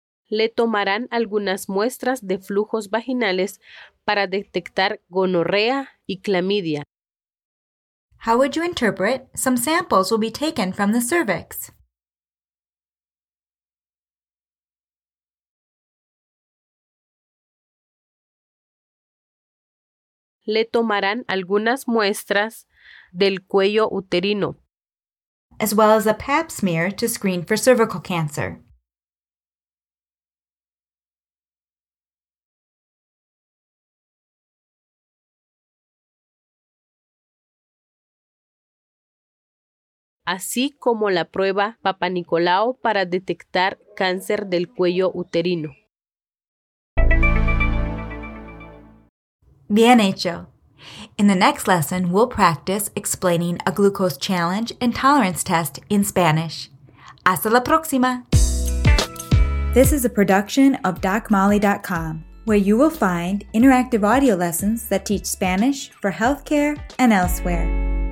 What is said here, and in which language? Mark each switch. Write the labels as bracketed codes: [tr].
[es] Le tomarán algunas muestras de flujos vaginales para detectar gonorrea y clamidia. [en] How would you interpret some samples will be taken from the cervix? [es] Le tomarán algunas muestras del cuello uterino. [en] As well as a pap smear to screen for cervical cancer. [es] Así como la prueba Papanicolaou para detectar cáncer del cuello uterino. Bien hecho. [en] In the next lesson, we'll practice explaining a glucose challenge and tolerance test in Spanish. [es] Hasta la próxima. [en] This is a production of DocMolly.com, where you will find interactive audio lessons that teach Spanish for healthcare and elsewhere.